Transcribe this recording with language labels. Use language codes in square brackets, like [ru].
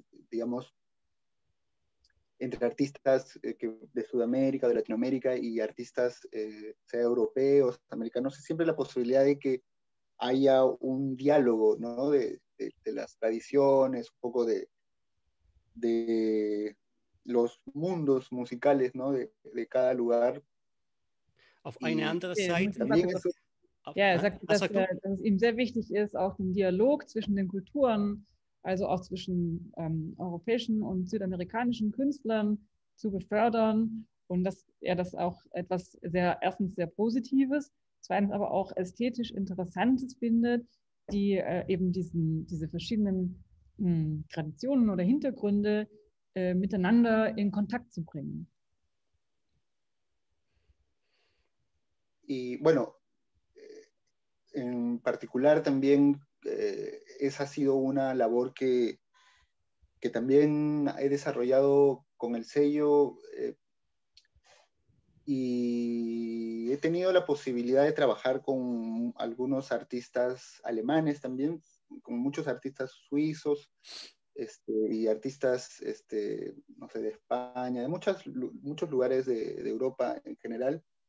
[es] digamos, entre artistas de Sudamérica, de Latinoamérica y artistas sea europeos, americanos, siempre la posibilidad de que haya un diálogo, ¿no? De las tradiciones, un poco de los mundos musicales, ¿no? De cada lugar. [de] Auf eine andere Seite. [es] También eso, [de] ja, er sagt, dass es ihm sehr wichtig ist, auch den Dialog zwischen den Kulturen, also auch zwischen europäischen und südamerikanischen Künstlern zu befördern und dass er das auch etwas sehr, erstens sehr Positives, zweitens aber auch ästhetisch Interessantes findet, die eben diese verschiedenen Traditionen oder Hintergründe miteinander in Kontakt zu bringen. [es] Y bueno, en particular también esa ha sido una labor que también he desarrollado con el sello y he tenido la posibilidad de trabajar con algunos artistas alemanes también, con muchos artistas suizos y artistas, no sé, de España, de muchos lugares de Europa en general.